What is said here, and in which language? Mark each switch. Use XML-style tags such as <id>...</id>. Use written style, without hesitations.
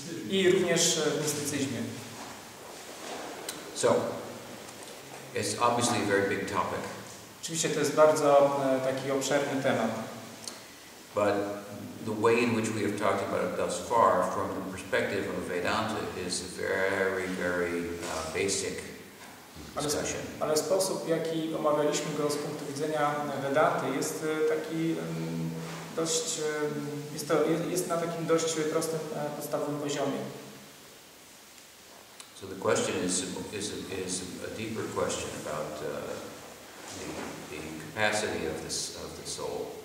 <pl>I również w mistycyzmie.</pl> <en>So, it's obviously a very big topic.</en> <pl>Oczywiście to jest bardzo taki obszerny temat.</pl> <en>But the way in which we have talked about it thus far from the perspective of Vedanta is a very, very basic discussion.</en> <pl>Ale sposób, w jaki omawialiśmy go z punktu widzenia Vedanty, jest taki dość, jest na takim dość prostym podstawowym poziomie.</pl> <en>So the question is a deeper question about the capacity of the soul.</en>